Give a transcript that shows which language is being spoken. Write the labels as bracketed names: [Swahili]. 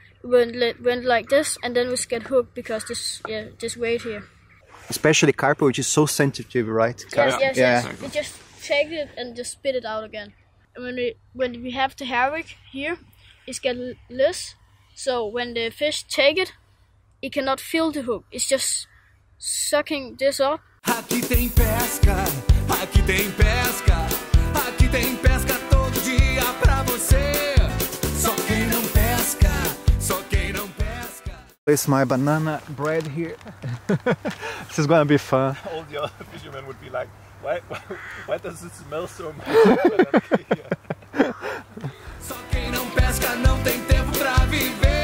[English] went like this, and then we get hooked because this this weight here. Especially carpa, which is so sensitive, right? Yes. We just take it and just spit it out again. And when we have the herring here, it's get less. So when the fish take it, it cannot feel the hook. It's just sucking this up. [Portuguese] Aqui tem pesca, aqui tem pesca, aqui tem pesca todo dia pra você. Só quem não pesca, só quem não pesca. [English] It's my banana bread here. This is gonna be fun. All the other fishermen would be like, why does it smell so much? [Portuguese] Só quem não pesca não tem tempo pra viver.